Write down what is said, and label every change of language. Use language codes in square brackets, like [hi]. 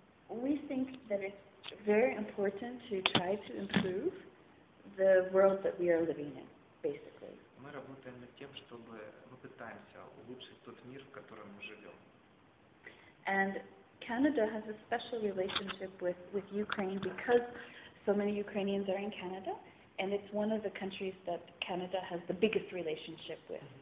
[en] We think that it's very important to try to improve the world that we are living in, basically. [ru] Мы работаем над тем, чтобы мы пытаемся улучшить тот мир, в котором мы живем. [en] And Canada has a special relationship with Ukraine because so many Ukrainians are in Canada, and it's one of the countries that Canada has the biggest relationship with.